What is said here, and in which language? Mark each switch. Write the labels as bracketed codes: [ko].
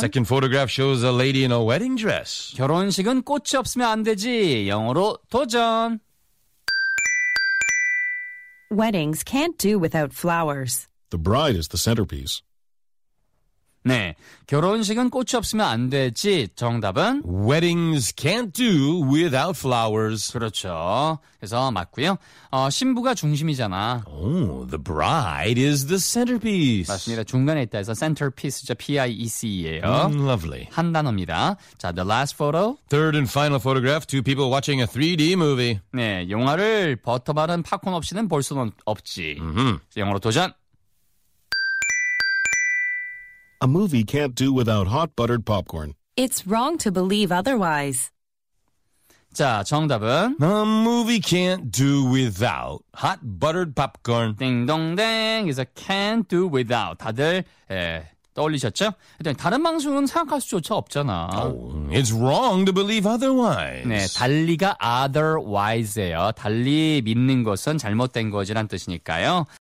[en] Second photograph shows a lady in a wedding dress. [ko] 결혼식은 꽃이 없으면 안 되지. 영어로 도전. [en] Weddings can't do without flowers. The bride is the centerpiece. [ko] 네, 결혼식은 꽃이 없으면 안 되지. 정답은? [en] Weddings can't do without flowers. [ko] 그렇죠. 그래서 맞고요. 신부가 중심이잖아. [en] Oh, the bride is the centerpiece. [ko] 맞습니다. 중간에 있다 해서 centerpiece죠. P-I-E-C예요. [en] Lovely. [ko] 한 단어입니다. 자, [en] the last photo. Third and final photograph. Two people watching a 3D movie. [ko] 네, 영화를 버터 바른 팝콘 없이는 볼 수는 없지. Mm-hmm. 영어로 도전. [en] A movie can't do without hot buttered popcorn. It's wrong to believe otherwise. [ko] 자, 정답은? [en] A movie can't do without hot buttered popcorn. [ko] 띵동댕, [en] is a can't do without. [ko] 다들 떠올리셨죠? 일단 다른 방송은 생각할 수조차 없잖아. [en] Oh, it's wrong to believe otherwise. [ko] 네, 달리가 otherwise예요. 달리 믿는 것은 잘못된 거지란 뜻이니까요.